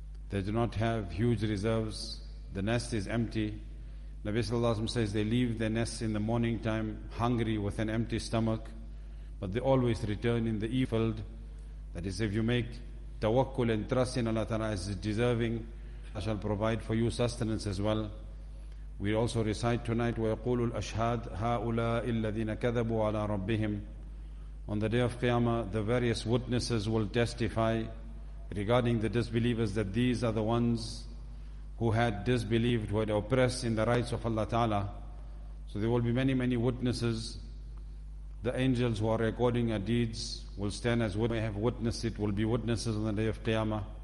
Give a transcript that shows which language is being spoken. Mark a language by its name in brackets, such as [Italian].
[English] They do not have huge reserves. The nest is empty. Nabi sallallahu alayhi wa sallam says they leave their nests in the morning time hungry with an empty stomach, but they always return in the e-field. That is, if you make tawakkul and trust in Allah Ta'ala as deserving, Allah shall provide for you sustenance as well. We also recite tonight, [Arabic] وَيَقُولُ الْأَشْهَادُ هَؤُلَاءِ الَّذِينَ كَذَبُوا عَلَىٰ رَبِّهِمْ. [English] On the day of Qiyamah, the various witnesses will testify regarding the disbelievers that these are the ones who had disbelieved, who had oppressed in the rights of Allah Ta'ala. So there will be many, many witnesses. The angels who are recording our deeds will stand as we have witnessed it, will be witnesses on the day of Qiyamah.